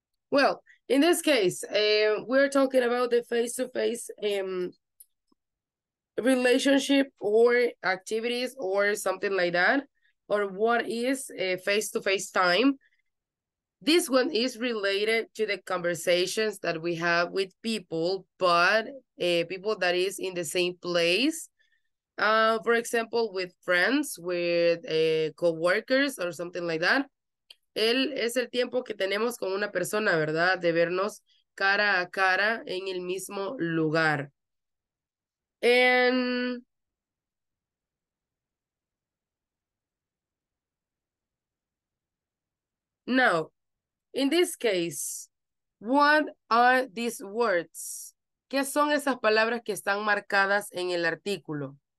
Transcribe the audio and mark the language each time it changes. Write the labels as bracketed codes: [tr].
[en] Well, in this case, we're talking about the face-to-face relationship or activities or something like that, or what is a face-to-face time. This one is related to the conversations that we have with people, but people that is in the same place. For example, with friends, with co-workers or something like that. [es] Él es el tiempo que tenemos con una persona, ¿verdad? De vernos cara a cara en el mismo lugar. [en] And now, in this case, what are these words? [es] ¿Qué son esas palabras que están marcadas en el artículo?